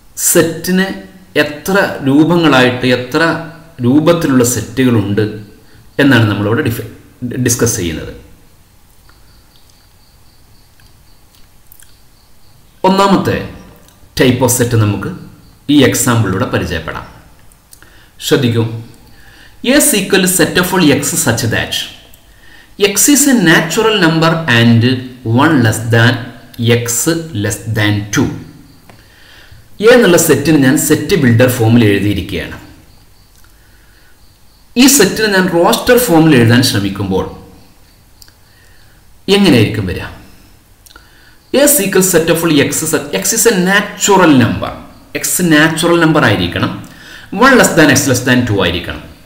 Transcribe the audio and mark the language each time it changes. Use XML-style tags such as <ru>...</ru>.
<ml>സെറ്റിന് എത്ര രൂപങ്ങളായിട്ട് എത്ര രൂപത്തിലുള്ള സെറ്റുകളുണ്ട് എന്നാണ് നമ്മളിവിടെ ഡിസ്കസ് ചെയ്യുന്നത്. ഒന്നാമത്തെ ടൈപ്പ് ഓഫ് സെറ്റ് നമുക്ക് ഈ എക്സാമ്പിളിലൂടെ പരിചയപ്പെടാം. ശ്രദ്ധിക്കും.</ml> <en>S equal to set of all x such that x is a natural number and 1 less than x less than 2.</en> <ml>എന്നുള്ള സെറ്റിന് ഞാൻ സെറ്റ് ബിൽഡർ ഫോമിൽ എഴുതിയിരിക്കുകയാണ്. ഈ സെറ്റിന് ഞാൻ റോസ്റ്റർ ഫോമിൽ എഴുതാൻ ശ്രമിക്കുമ്പോൾ എങ്ങനെയായിരിക്കും വരിക?</ml> <en>S equal to set of all x is a natural number. X natural number</en> <ml>ആയിരിക്കണം.</ml> <en>1 less than x less than 2 ആയിരിക്കണം.</en>